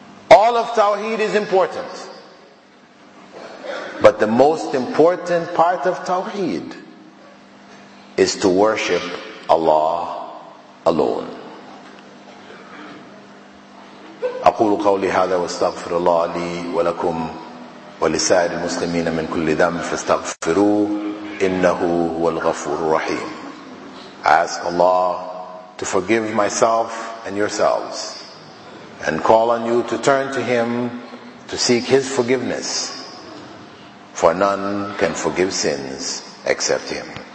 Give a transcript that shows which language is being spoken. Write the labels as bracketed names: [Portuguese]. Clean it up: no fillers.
[English] All of Tawheed is important. But the most important part of Tawheed is to worship Allah alone. [Arabic] أقول قولي هذا واستغفر الله لي ولكم ولسائر المسلمين من كل ذنب فاستغفروه إنه هو الغفور الرحيم. [English] I ask Allah to forgive myself and yourselves and call on you to turn to Him to seek His forgiveness. For none can forgive sins except Him.